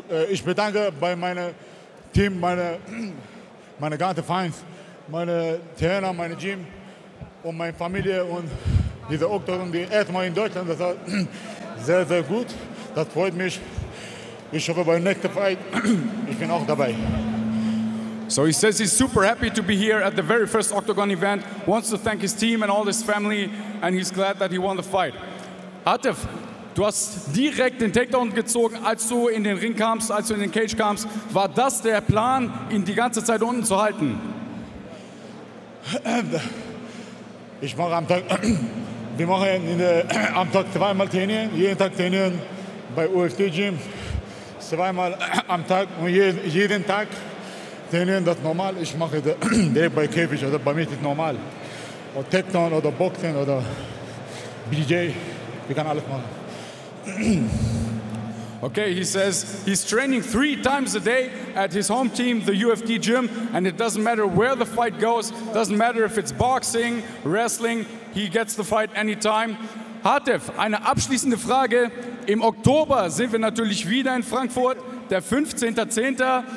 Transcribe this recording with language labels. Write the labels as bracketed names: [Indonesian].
[German] Ich bedanke bei meinem Team, meine ganzen Fans, meine Trainer, meine Gym und meine Familie und diese Octagon, die erstmal in Deutschland, das war sehr, sehr gut. Das freut mich. Ich hoffe, beim nächsten Fight, ich bin auch dabei. [English] So he says he's super happy to be here at the very first Octagon event, wants to thank his team and all his family, and he's glad that he won the fight. [German] Atif, du hast direkt den Takedown gezogen, als du in den Ring kamst, als du in den Cage kamst. War das der Plan, ihn die ganze Zeit unten zu halten? Ich mache am Tag, wir machen am Tag zweimal trainieren, jeden Tag trainieren bei UFC Gym. Zweimal am Tag und jeden Tag trainieren, das normal. Ich mache das direkt bei Käfig oder bei mir ist das normal. Und Tekton oder Boxen oder BJ, wir können alles machen. [English] Okay, he says he's training three times a day at his home team, the UFD gym, and it doesn't matter where the fight goes, doesn't matter if it's boxing, wrestling, he gets the fight anytime. [German] Hatef, eine abschließende Frage. Im Oktober sind wir natürlich wieder in Frankfurt, der 15.10.